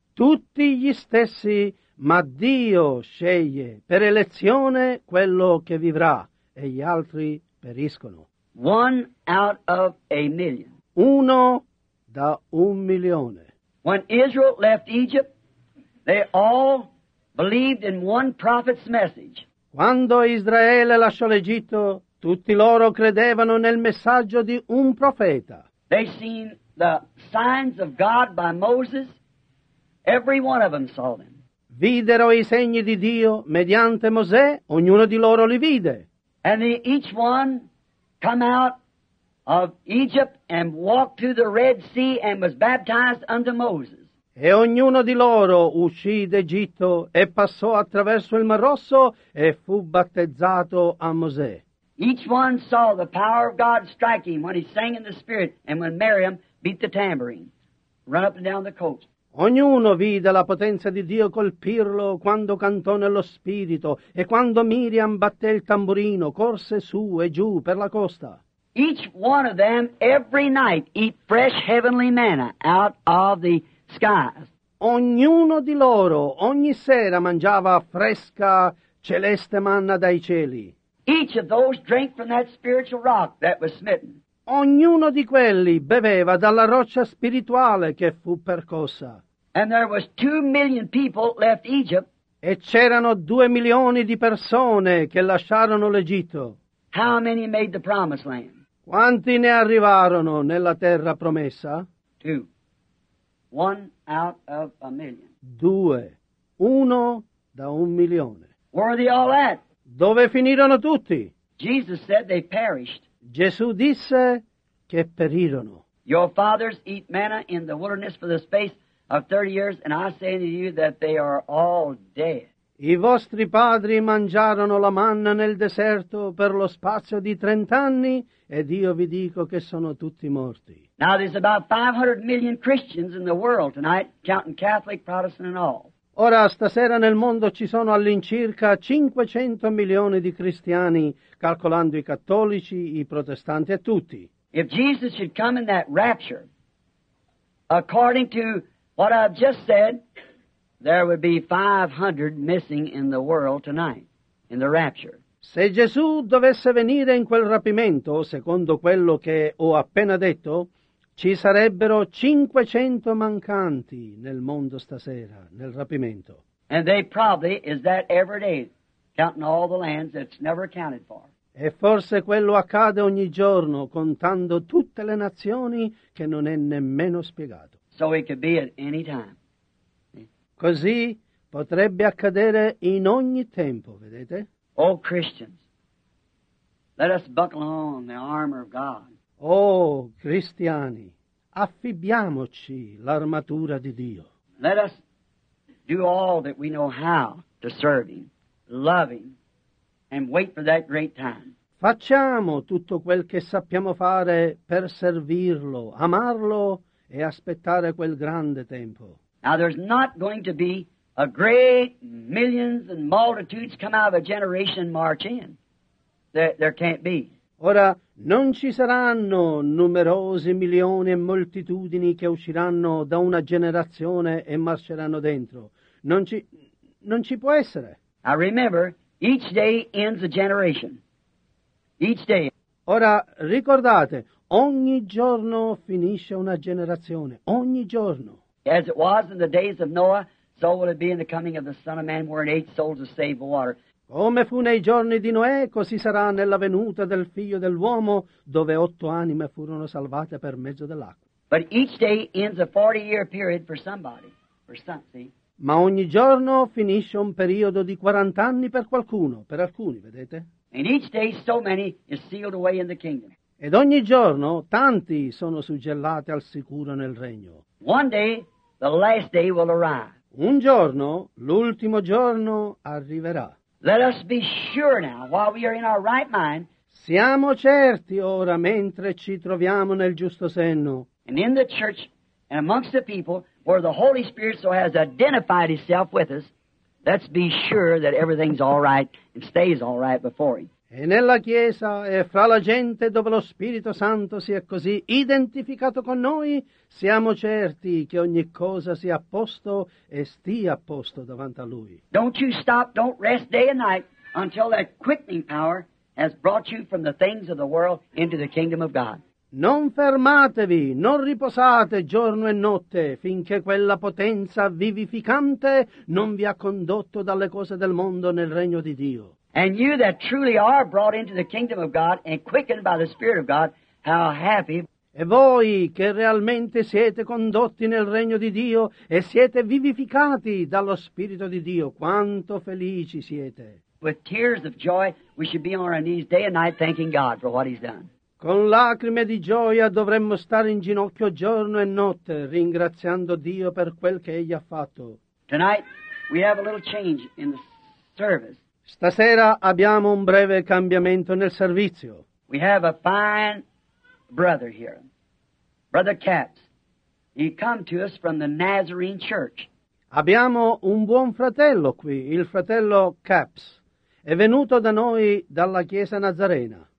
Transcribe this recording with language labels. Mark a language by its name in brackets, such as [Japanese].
[Italian] Tutti gli stessi, ma Dio sceglie per elezione quello che vivrà, e gli altri periscono. [English] One out of a million. [Italian] Uno da un milione. [English] When Israel left Egypt, they all believed in one prophet's message. [Italian] Quando Israele lasciò l'Egitto, tutti loro credevano nel messaggio di un profeta. [English] They seen the signs of God by Moses. Every one of them saw them. [Italian] Videro i segni di Dio mediante Mosè, ognuno di loro li vide. [English] And they each one come out of Egypt and walked through the Red Sea and was baptized under Moses. [Italian] E ognuno di loro uscì d'Egitto e passò attraverso il Mar Rosso e fu battezzato a Mosè. [English] Each one saw the power of God strike him when he sang in the spirit and when Miriam beat the tambourine, run up and down the coast. [Italian] Ognuno vide la potenza di Dio colpirlo quando cantò nello spirito e quando Miriam batté il tamburino, corse su e giù per la costa. [English] Each one of them every night eat fresh heavenly manna out of the skies. [Italian] Ognuno di loro ogni sera mangiava fresca celeste manna dai cieli. [English] Each of those drank from that spiritual rock that was smitten. [Italian] Ognuno di quelli beveva dalla roccia spirituale che fu percossa. [English] And there was 2 million people left Egypt. [Italian] E c'erano 2 milioni di persone che lasciarono l'Egitto. [English] How many made the promised land? [Italian] Quanti ne arrivarono nella terra promessa? [English] 2. One out of a million. [Italian] Due. Uno da un milione. [English] Where are they all at? [Italian] Dove finirono tutti? [English] Jesus said they perished. [Italian] Gesù disse che perirono. [English] Your fathers eat manna in the wilderness for the space of 30 years, and I say unto you that they are all dead. [Italian] I vostri padri mangiarono la manna nel deserto per lo spazio di 30 anni, ed io vi dico che sono tutti morti. [English] Now there's about 500 million Christians in the world tonight, counting Catholic, Protestant and all. [Italian] Ora stasera nel mondo ci sono all'incirca 500 milioni di cristiani, calcolando i cattolici, i protestanti e tutti. [English] If Jesus should come in that rapture, according to what I've just said, there would be 500 missing in the world tonight, in the rapture. [Italian] Se Gesù dovesse venire in quel rapimento, secondo quello che ho appena detto, ci sarebbero 500 mancanti nel mondo stasera, nel rapimento. [English] And they probably is that every day, counting all the lands that's never accounted for. [Italian] E forse quello accade ogni giorno, contando tutte le nazioni che non è nemmeno spiegato. [English] So it could be at any time. [Italian] Così potrebbe accadere in ogni tempo, vedete? [English] Oh, Christians, let us buckle on the armor of God. [Italian] Oh, cristiani, affibbiamoci l'armatura di Dio. [English] Let us do all that we know how to serve Him, love Him, and wait for that great time. [Italian] Facciamo tutto quel che sappiamo fare per servirlo, amarlo e aspettare quel grande tempo. [English] Now, there's not going to be a great millions and multitudes come out of a generation march in. There can't be. [Italian] Ora, non ci saranno numerosi milioni e moltitudini che usciranno da una generazione e marceranno dentro. Non ci può essere. [English] I remember, each day ends a generation. Each day. [Italian] Ora, ricordate, ogni giorno finisce una generazione. Ogni giorno. [English] As it was in the days of Noah, so will it be in the coming of the Son of Man, wherein eight souls are saved by water. [Italian] Come fu nei giorni di Noè, così sarà nella venuta del Figlio dell'uomo, dove otto anime furono salvate per mezzo dell'acqua. [English] But each day ends a 40-year period for somebody, for some, see? [Italian] Ma ogni giorno finisce un periodo di 40 anni per qualcuno, per alcuni, vedete? [English] And each day so many is sealed away in the kingdom. [Italian] Ed ogni giorno tanti sono suggellati al sicuro nel regno. [English] One day, the last day will arrive. [Italian] Un giorno, l'ultimo giorno arriverà. [English] Let us be sure now, while we are in our right mind. [Italian] Siamo certi ora, mentre ci troviamo nel giusto senno. [English] And in the church, and amongst the people, where the Holy Spirit so has identified Himself with us, let's be sure that everything's all right and stays all right before Him. [Italian] E nella Chiesa e fra la gente dove lo Spirito Santo si è così identificato con noi, siamo certi che ogni cosa sia a posto e stia a posto davanti a Lui. [English] Don't you stop, don't rest day and night until that quickening power has brought you from the things of the world into the kingdom of God. [Italian] Non fermatevi, non riposate giorno e notte finché quella potenza vivificante non vi ha condotto dalle cose del mondo nel regno di Dio. [English] And you that truly are brought into the kingdom of God and quickened by the Spirit of God, how happy! [Italian] E voi che realmente siete condotti nel regno di Dio e siete vivificati dallo Spirito di Dio, quanto felici siete! [English] With tears of joy, we should be on our knees day and night thanking God for what He's done. [Italian] Con lacrime di gioia dovremmo stare in ginocchio giorno e notte, ringraziando Dio per quel che Egli ha fatto. [English] Tonight, we have a little change in the service. [Italian] Stasera abbiamo un breve cambiamento nel servizio. [English] We have a fine brother here, Brother Capps. He come to us from the Nazarene Church. [Italian] Abbiamo un buon fratello qui, il fratello Capps. È venuto da noi dalla Chiesa Nazarena.